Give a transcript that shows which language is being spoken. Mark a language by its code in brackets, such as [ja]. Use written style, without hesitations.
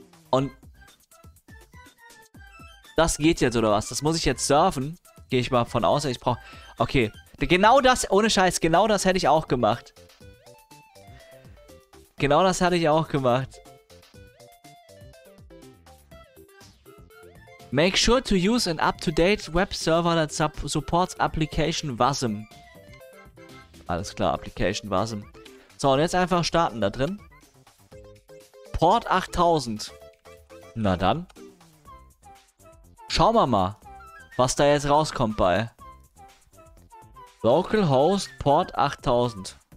[de] Und das geht jetzt, oder was? Das muss ich jetzt surfen. Gehe ich mal von aus. Ich brauche... Okay. Genau das, ohne Scheiß, genau das hätte ich auch gemacht. Genau das hätte ich auch gemacht. [en] Make sure to use an up-to-date web server that supports application Wasm. [de] Alles klar, application Wasm. So, und jetzt einfach starten da drin. Port 8000. Na dann. Schauen wir mal, was da jetzt rauskommt bei. Localhost Port 8000.